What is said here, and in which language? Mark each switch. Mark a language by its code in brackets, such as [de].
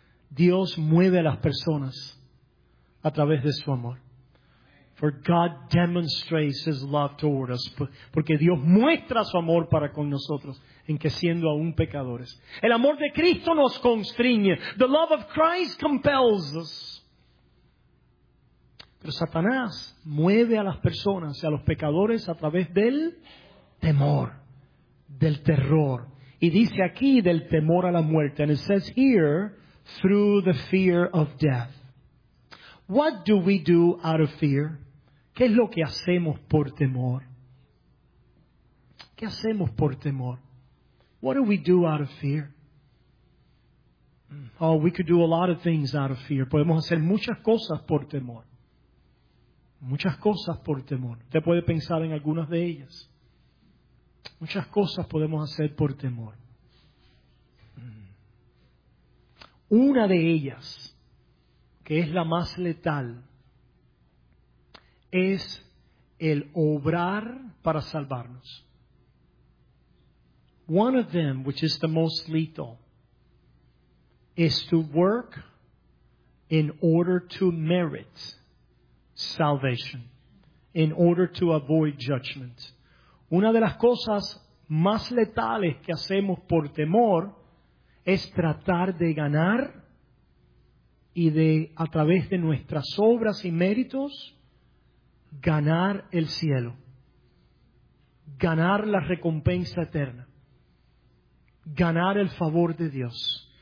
[es] Dios mueve a las personas a través de su amor. [en] For God demonstrates His love toward us. [es] Porque Dios muestra su amor para con nosotros en que siendo aún pecadores. El amor de Cristo nos constriñe. [en] The love of Christ compels us. [es] Pero Satanás mueve a las personas y a los pecadores a través del temor, del terror. Y dice aquí del temor a la muerte. [en] And it says here, through the fear of death. What do we do out of fear? [es] ¿Qué es lo que hacemos por temor? ¿Qué hacemos por temor? [en] What do we do out of fear? Oh, we could do a lot of things out of fear. [es] Podemos hacer muchas cosas por temor. Muchas cosas por temor. Usted puede pensar en algunas de ellas. Muchas cosas podemos hacer por temor. Una de ellas, que es la más letal, es el obrar para salvarnos. [en] One of them, which is the most lethal, is to work in order to merit salvation, in order to avoid judgment. [es] Una de las cosas más letales que hacemos por temor es tratar de ganar y de, a través de nuestras obras y méritos, ganar el cielo, ganar la recompensa eterna, ganar el favor de Dios.